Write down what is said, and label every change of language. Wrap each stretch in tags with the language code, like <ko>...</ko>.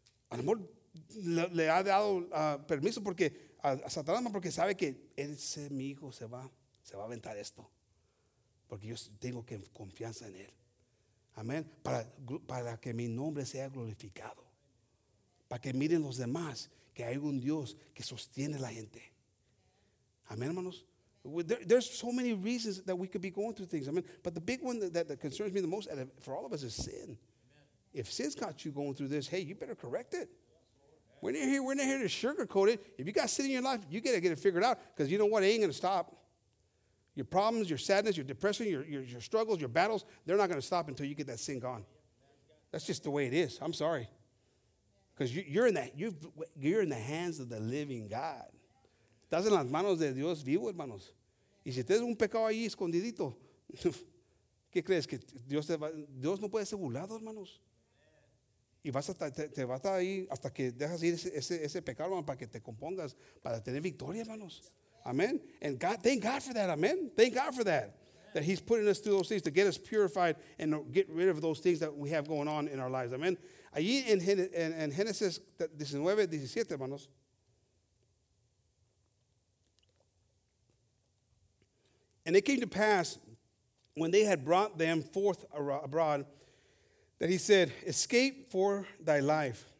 <es>A lo mejor le ha dado permiso porque a Satanás, porque sabe que ese mi hijo se va a aventar esto. Porque yo tengo que confianza en él. Amén. Para que mi nombre sea glorificado. Para que miren los demás que hay un Dios que sostiene a la gente. Amén, hermanos.</es> <en>There's so many reasons that we could be going through things. I mean, but the big one that concerns me the most for all of us is sin. Amen. If sin's got you going through this, hey, you better correct it. We're not here to sugarcoat it. If you got sin in your life, you gotta get it figured out, because you know what? It ain't gonna stop. Your problems, your sadness, your depression, your struggles, your battles, they're not gonna stop until you get that sin gone. That's just the way it is. I'm sorry. Because you're in the hands of the living God.</en> <es>Estás en las manos de Dios vivo, hermanos. Y si tienes un pecado ahí escondidito, ¿qué crees? Que Dios no puede ser burlado, hermanos. Y te vas a estar ahí hasta que dejas ir ese pecado, hermano, para que te compongas, para tener victoria, hermanos.</es> <en>Amén. And God, thank God for that, amen. Thank God for that. That he's putting us through those things to get us purified and get rid of those things that we have going on in our lives. Amén.</en> <es>Allí en Génesis 19, 17, hermanos,</es> <en>and it came to pass, when they had brought them forth abroad, that he said, escape for thy life.</en>